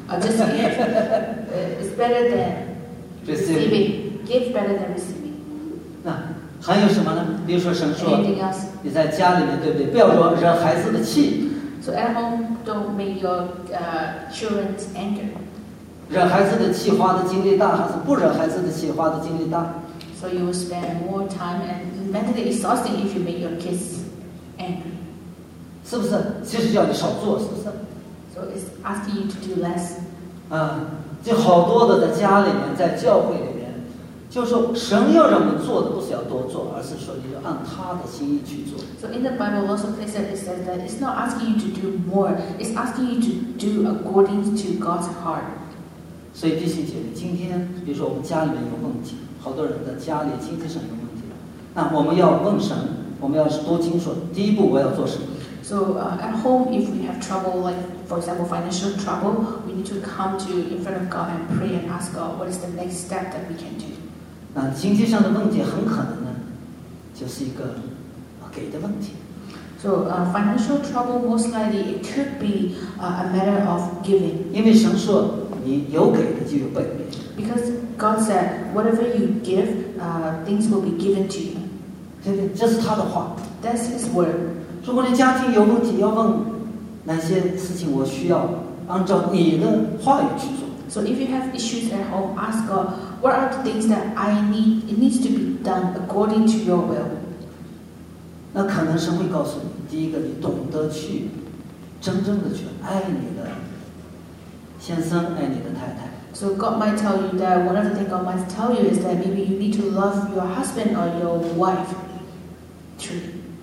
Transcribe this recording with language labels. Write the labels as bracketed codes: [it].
[en] Just give. It's better than receiving. Give better than receiving. [zh] 那还有什么呢？比如说神说， [en] Anything else? [zh] 你在家里面对不对？不要惹孩子的气。 [en] So at home, don't make your children's anger. [zh] 惹孩子的气花的精力大，还是不惹孩子的气花的精力大？ [en] So you will spend more time and mentally exhausting if you make your kids angry. [zh] 是不是？其实叫你少做，是不是 [en] ？So it's asking you to do less. [zh] 啊，就好多的在家里面，在教会里面，就是神要让我们做的，不是要多做，而是说你要按他的心意去做。 [en] So in the Bible, lots of places it says that it's not asking you to do more; it's asking you to do according to God's heart. [zh] 所以弟兄姐妹，今天比如说我们家里面有问题。好多人的家里经济上有问题，那我们要问神，我们要是多清楚，第一步我要做什么 [en] ？So at home, if we have trouble, like for example financial trouble, we need to come to in front of God and pray and ask God what is the next step that we can do. [zh] 那经济上的问题很可能呢，就是一个给的问题。 [en] So financial trouble most likely it could be a matter of giving. [zh] 因为神说你有给的就有备。 [en] Because God said, whatever you give, things will be given to you. [zh] 对对，这是他的话。 [en] That's his word. [zh] 如果你家庭有问题，要问哪些事情我需要按照你的话语去做。 [en] So if you have issues at home, ask God, what are the things that I need? It needs to be done according to your will. [zh] 那可能神会告诉你，第一个，你懂得去真正的去爱你的先生，爱你的太太。 [en] So God might tell you that one of the things God might tell you is that maybe you need to love your husband or your wife truly.